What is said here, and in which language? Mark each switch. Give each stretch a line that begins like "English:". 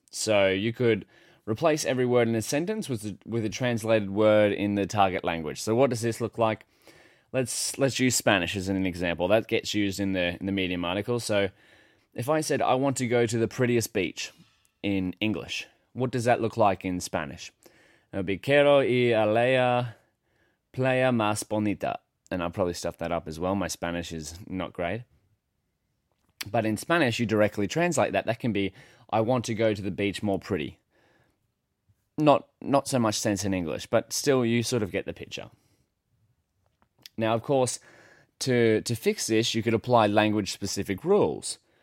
English: So you could replace every word in a sentence with a translated word in the target language. So what does this look like? Let's use Spanish as an example. That gets used in the Medium article. So if I said, I want to go to the prettiest beach in English, what does that look like in Spanish? It would be,
Spanish: quiero ir a la playa más bonita.
English: And I'll probably stuff that up as well. My Spanish is not great. But in Spanish, you directly translate that. That can be, I want to go to the beach more pretty. Not so much sense in English, but still you sort of get the picture. Now, of course, to fix this, you could apply language-specific rules.